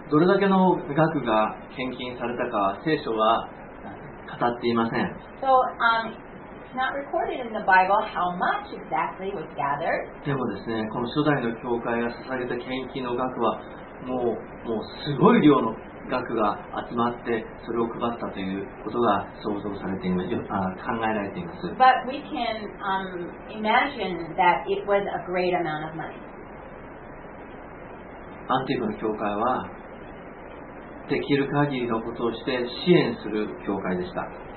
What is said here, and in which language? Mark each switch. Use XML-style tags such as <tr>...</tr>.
<ja>どれだけの額が献金されたかは聖書は語っていません。</ja> <en>So, it's not recorded in the Bible how much exactly was gathered.</en> <ja>でもですね、この初代の教会が捧げた献金の額はもうすごい量の額が集まってそれを配ったということが想像されています。考えられています。</ja> <en>But we can imagine that it was a great amount of money.</en> <ja>アンティークの教会はできる限りのことをして支援する教会でした。</ja>